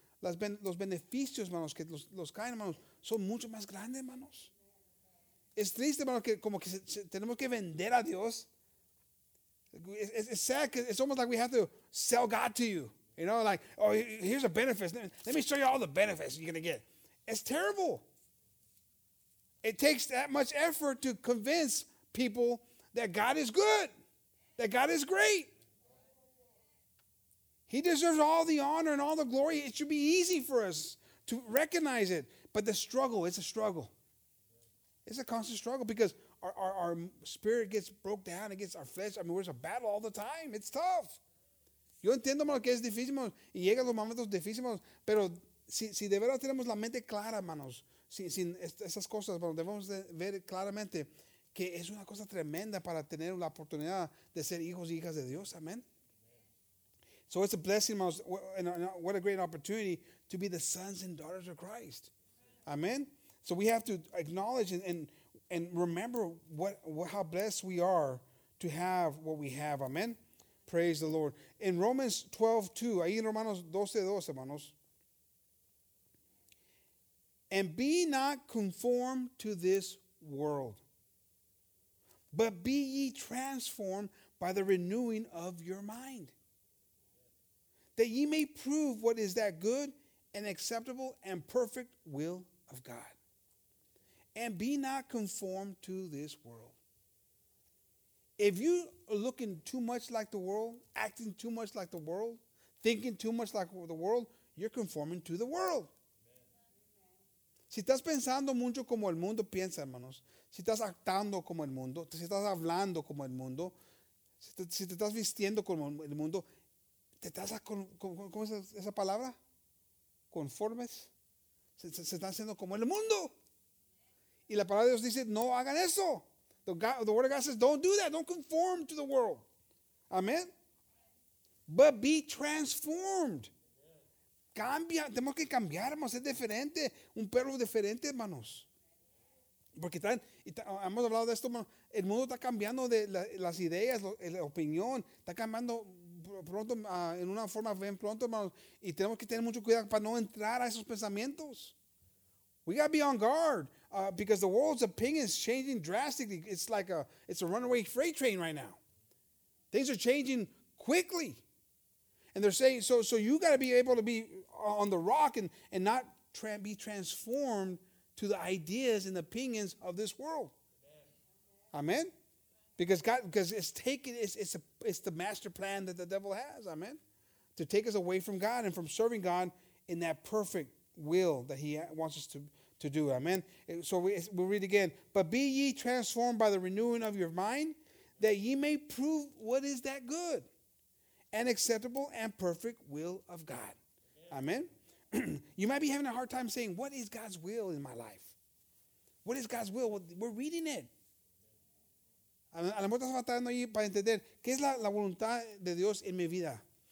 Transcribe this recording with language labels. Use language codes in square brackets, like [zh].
[es] Los beneficios, hermanos, que los caen, hermanos, son mucho más grandes, hermanos. Es triste, hermanos, que como que tenemos que vender a Dios. [en] It's sad because it's almost like we have to sell God to you. You know, like, oh, here's a benefit. Let me show you all the benefits you're going to get. It's terrible. It takes that much effort to convince people that God is good, that God is great. He deserves all the honor and all the glory. It should be easy for us to recognize it. But the struggle, it's a struggle. It's a constant struggle because our spirit gets broke down against our flesh. I mean, there's a battle all the time. It's tough. [es] Yo entiendo, hermano, que es difícil, y llegan los momentos difíciles, pero si de verdad tenemos la mente clara, hermanos, sin esas cosas, hermanos, debemos ver claramente que es una cosa tremenda para tener la oportunidad de ser hijos y hijas de Dios. Amén. [en] So it's a blessing, hermanos, and what a great opportunity to be the sons and daughters of Christ. Amen. So we have to acknowledge and remember what how blessed we are to have what we have. Amen. Praise the Lord. In Romans 12, 2, [es] ahí en Romanos 12, 2, hermanos. [en] And be not conformed to this world, but be ye transformed by the renewing of your mind, that ye may prove what is that good and acceptable and perfect will of God. And be not conformed to this world. If you are looking too much like the world, acting too much like the world, thinking too much like the world, you're conforming to the world. [es] Amen. Si estás pensando mucho como el mundo piensa, hermanos, si estás actando como el mundo, si estás hablando como el mundo, si te estás vistiendo como el mundo, ¿te estás ¿cómo es esa palabra? Conformes. Se están haciendo como el mundo. Y la palabra de Dios dice, no hagan eso. [en] The word of God says, don't do that. Don't conform to the world. Amen. But be transformed. [es] Cambia. Tenemos que cambiar, hermanos. Es diferente. Un perro diferente, hermanos. Porque hemos hablado de esto, hermanos. El mundo está cambiando de las ideas, la opinión. Está cambiando pronto, en una forma bien pronto, hermanos. Y tenemos que tener mucho cuidado para no entrar a esos pensamientos. [en] We got to be on guard. Because the world's opinion is changing drastically. It's like it's a runaway freight train right now. Things are changing quickly. And they're saying, so you got to be able to be on the rock and not be transformed to the ideas and opinions of this world. Amen. Because God, it's the master plan that the devil has. Amen. To take us away from God and from serving God in that perfect will that he wants us to do. Amen. So we'll read again. But be ye transformed by the renewing of your mind, that ye may prove what is that good and acceptable and perfect will of God. Amen. You might be having a hard time saying, what is God's will in my life? What is God's will? Well, we're reading it. [es] A lo mejor estás faltando ahí para entender qué es la voluntad de Dios en mi vida.